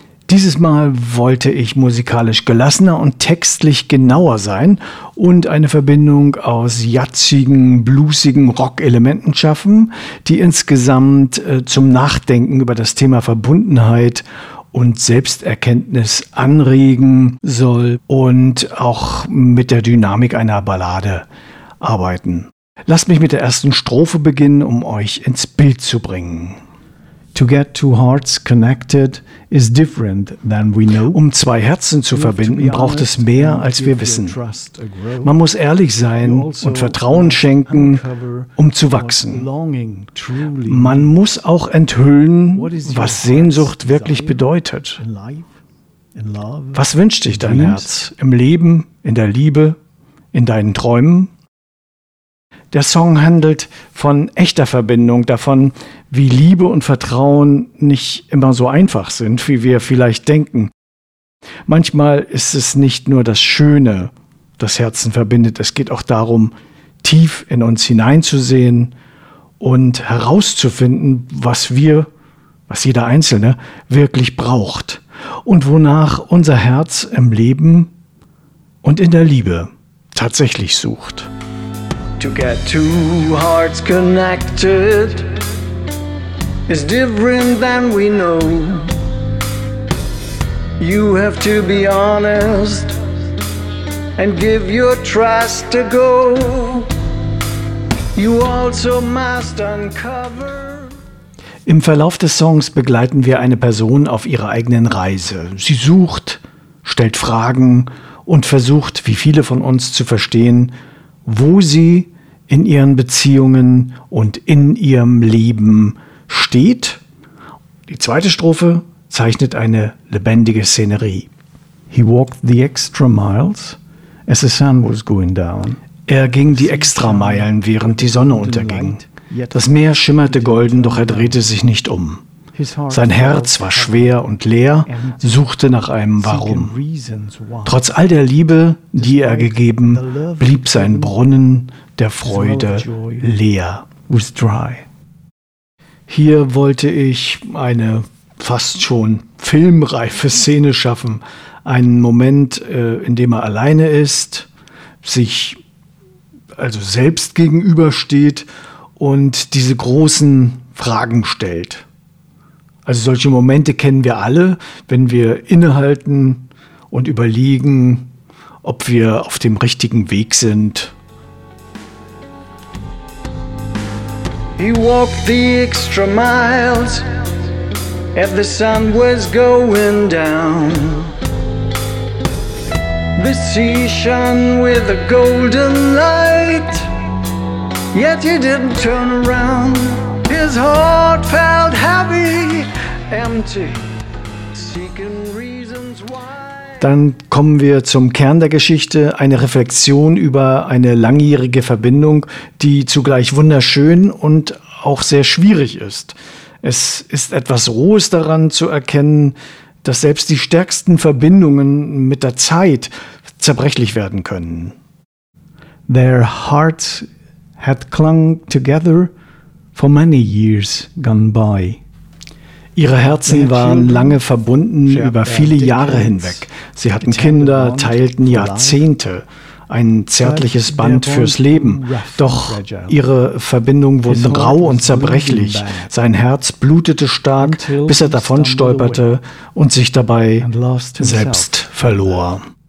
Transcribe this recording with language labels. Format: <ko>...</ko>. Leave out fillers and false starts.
<de>Dieses Mal wollte ich musikalisch gelassener und textlich genauer sein und eine Verbindung aus jazzigen, bluesigen Rock-Elementen schaffen, die insgesamt zum Nachdenken über das Thema Verbundenheit und Selbsterkenntnis anregen soll und auch mit der Dynamik einer Ballade arbeiten. Lasst mich mit der ersten Strophe beginnen, um euch ins Bild zu bringen.</de> <en>To get two hearts connected is different than we know.</en> <de>Um zwei Herzen zu verbinden, braucht es mehr, als wir wissen. Man muss ehrlich sein und Vertrauen schenken, um zu wachsen. Man muss auch enthüllen, was Sehnsucht wirklich bedeutet. Was wünscht dich dein Herz im Leben, in der Liebe, in deinen Träumen? Der Song handelt von echter Verbindung, davon, wie Liebe und Vertrauen nicht immer so einfach sind, wie wir vielleicht denken. Manchmal ist es nicht nur das Schöne, das Herzen verbindet. Es geht auch darum, tief in uns hineinzusehen und herauszufinden, was jeder Einzelne wirklich braucht und wonach unser Herz im Leben und in der Liebe tatsächlich sucht.</de> <en>To get two hearts connected is different than we know. You have to be honest and give your trust a go. You also must uncover.</en> <de>Im Verlauf des Songs begleiten wir eine Person auf ihrer eigenen Reise. Sie sucht, stellt Fragen und versucht, wie viele von uns, zu verstehen, wo sie in ihren Beziehungen und in ihrem Leben steht. Die zweite Strophe zeichnet eine lebendige Szenerie.</de> <en>He walked the extra miles as the sun was going down.</en> <de>Er ging die extra Meilen, während die Sonne unterging. Das Meer schimmerte golden, doch er drehte sich nicht um. Sein Herz war schwer und leer, suchte nach einem Warum. Trotz all der Liebe, die er gegeben, blieb sein Brunnen der Freude leer.</de> <en>Was dry.</en> <de>Hier wollte ich eine fast schon filmreife Szene schaffen. Einen Moment, in dem er alleine ist, sich also selbst gegenübersteht und diese großen Fragen stellt. Also solche Momente kennen wir alle, wenn wir innehalten und überlegen, ob wir auf dem richtigen Weg sind.</de> <en>He walked the extra miles as the sun was going down. The sea shone with a golden light, yet he didn't turn around. His heart felt heavy, empty, seeking reasons why.</en> <de>Dann kommen wir zum Kern der Geschichte, eine Reflexion über eine langjährige Verbindung, die zugleich wunderschön und auch sehr schwierig ist. Es ist etwas Rohes daran zu erkennen, dass selbst die stärksten Verbindungen mit der Zeit zerbrechlich werden können.</de> <en>Their hearts had clung together for many years gone by.</en> <de>Ihre Herzen waren lange verbunden über viele Jahre hinweg. Sie hatten Kinder, teilten Jahrzehnte, ein zärtliches Band fürs Leben. Doch ihre Verbindung wurde rau und zerbrechlich. Sein Herz blutete stark, bis er davonstolperte und sich dabei selbst verlor.</de>